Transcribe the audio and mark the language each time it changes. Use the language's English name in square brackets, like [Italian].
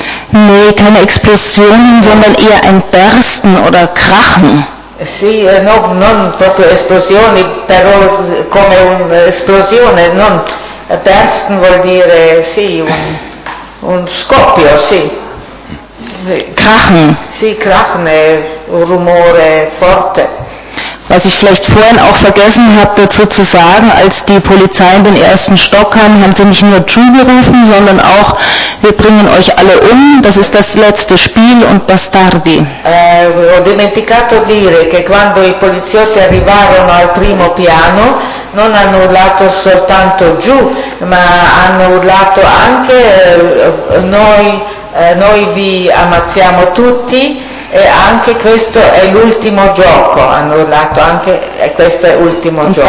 [German] Nee, keine Explosionen, sondern eher ein Bersten oder Krachen. [Italian] Sì, no, non proprio esplosioni, però come un'esplosione, non... Bersten vuol dire, sì, un scoppio, sì. [German] Krachen. [Italian] Sì, krachen, un rumore forte. [German] Was ich vielleicht vorhin auch vergessen habe, dazu zu sagen, als die Polizei in den ersten Stock kam, haben sie nicht nur Ju gerufen, sondern auch, wir bringen euch alle um, das ist das letzte Spiel und Bastardi. [Italian] Ho dimenticato dire che quando i poliziotti arrivarono al primo piano, non hanno urlato soltanto Ju, ma hanno urlato anche noi vi ammazziamo tutti, e anche questo è l'ultimo gioco, hanno urlato anche e questo è l'ultimo gioco.